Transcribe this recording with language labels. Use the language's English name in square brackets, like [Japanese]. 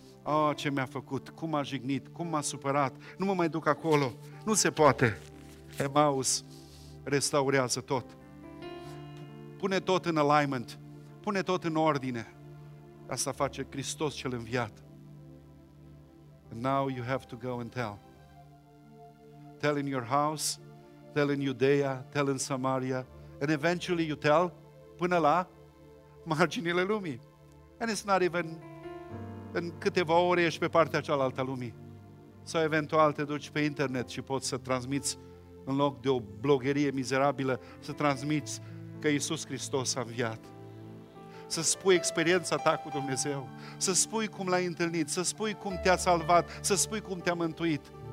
[Romanian] Oh, ce mi-a făcut, cum m-a jignit, cum m-a supărat, nu mă mai duc acolo. Nu se poate. Emmaus restaurează tot. Pune tot în alignment, pune tot în ordine. Asta face Hristos cel înviat. [English] And now you have to go and tell. Tell in your house, tell in Judea, tell in Samaria, and eventually you tell [Romanian] până la marginile lumii. [English] And it's not even [Romanian] în câteva ore ești pe partea cealaltă a lumii. Sau eventual te duci pe internet și poți să transmiți în loc de o blogerie mizerabilă, să transmiți că Iisus Hristos a înviat. Să spui experiența ta cu Dumnezeu, să spui cum l-ai întâlnit, să spui cum te-a salvat, să spui cum te-a mântuit.